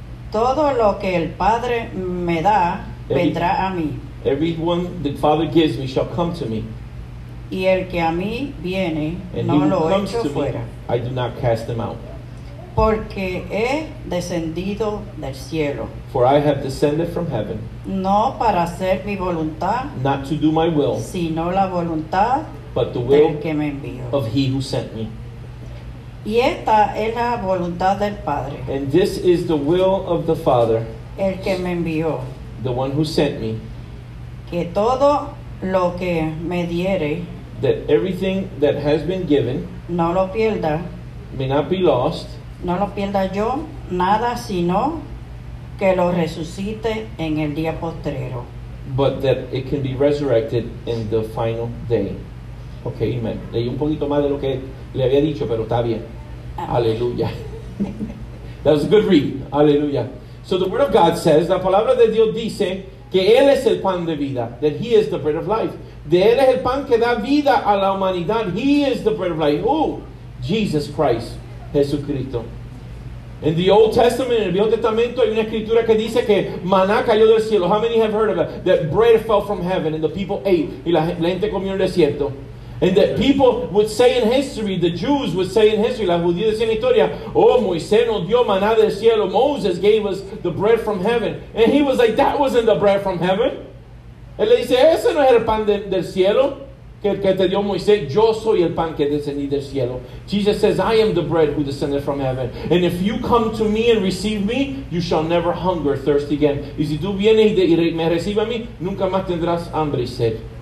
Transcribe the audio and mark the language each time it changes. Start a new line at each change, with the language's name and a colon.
Spanish: Todo lo que el Padre me da, vendrá a mí.
English: Everyone the Father gives me shall come to me.
Spanish: Y el que a mí viene,
English: and
Spanish: no lo echo fuera.
English: Me, I do not cast them out.
Spanish: Porque he descendido del cielo.
English: For I have descended from heaven.
Spanish: No para hacer mi voluntad.
English: Not to do my will.
Spanish: Sino la voluntad.
English: But the will
Spanish: del que me envió.
English: Of he who sent me.
Spanish: Y esta es la voluntad del Padre.
English: And this is the will of the Father.
Spanish: El que me envió.
English: The one who sent me.
Spanish: Que todo lo que me diere.
English: That everything that has been given.
Spanish: No lo pierda.
English: May not be lost.
Spanish: No lo pierda yo nada, sino que lo resucite en el día postrero.
English: But that it can be resurrected in the final day. Okay, amen.
Spanish: Leí un poquito más de lo que le había dicho, pero está bien.
English: Aleluya. That was a good read. Aleluya. So the word of God says,
Spanish: la palabra de Dios dice que Él es el pan de vida.
English: That He is the bread of life.
Spanish: De Él es el pan que da vida a la humanidad.
English: He is the bread of life. Who? Jesus Christ. Jesucristo. In the Old Testament, in the Viejo Testamento,
Spanish: hay una escritura que dice que maná cayó del cielo.
English: How many have heard of that? That bread fell from heaven and the people ate.
Spanish: Y la gente comió en el desierto.
English: And that people would say in history,
Spanish: the Jews would say in history, la judía decía en historia, oh, Moisés nos dio maná del cielo.
English: Moses gave us the bread from heaven. And he was like, that wasn't the bread from heaven.
Spanish: Él le dice, ese no es el pan del cielo. que te dio Moisés, yo soy el pan que descendí del cielo.
English: Jesus says, I am the bread who descended from heaven. And if you come to me and receive me, you shall never hunger, thirst again.
Spanish: Y si tú vienes y me recibes a mí, nunca más tendrás hambre y sed.